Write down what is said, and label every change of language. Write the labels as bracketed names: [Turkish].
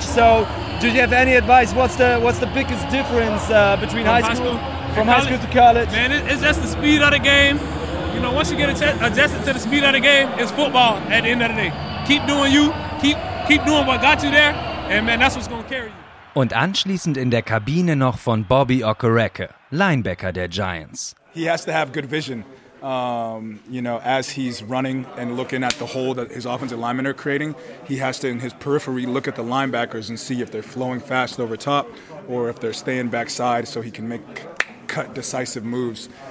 [English] So, do you have any advice? What's the biggest difference between high school to college? Man, it's just the speed of the game. You know, once you get adjusted to the speed of the game, it's football at the end of the day. Keep doing you. Keep doing what got you there, and man, that's what's going to carry you. [German] Und anschließend in der Kabine noch von Bobby Okereke, Linebacker der Giants. [English] He has to have good vision. You know, as he's running and looking at the hole that his offensive linemen are creating, he has to, in his periphery, look at the linebackers and see if they're flowing fast over top or if they're staying backside so he can make cut decisive moves.